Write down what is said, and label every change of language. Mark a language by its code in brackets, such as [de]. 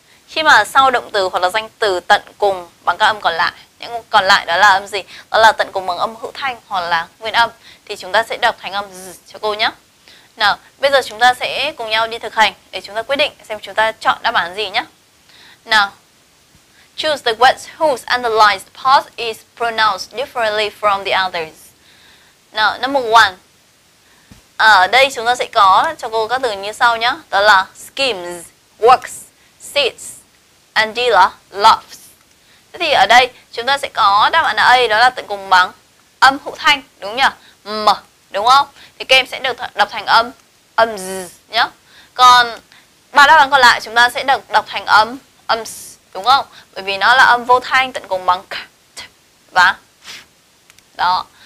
[vi] Khi mà sau động từ hoặc là danh từ tận cùng bằng các âm còn lại, những còn lại đó là âm gì? Đó là tận cùng bằng âm hữu thanh hoặc là nguyên âm, thì chúng ta sẽ đọc thành âm z cho cô nhé. Nào, bây giờ chúng ta sẽ cùng nhau đi thực hành để chúng ta quyết định xem chúng ta chọn đáp án gì nhé. [en] Nào, choose the words whose analyzed part is pronounced differently from the others. Now, number one. [vi] Ở đây chúng ta sẽ có cho cô các từ như sau nhé. [en] Đó là schemes, works, sits, and dealer, loves. [vi] Thế thì ở đây chúng ta sẽ có đáp án A, đó là tận cùng bằng âm hữu thanh, đúng nhỉ? M, đúng không? Thì các em sẽ được đọc thành âm, âm z nhé. Còn ba đáp án còn lại chúng ta sẽ được đọc thành âm, âm s, đúng không? Bởi vì nó là âm vô thanh tận cùng bằng k, t, và đó.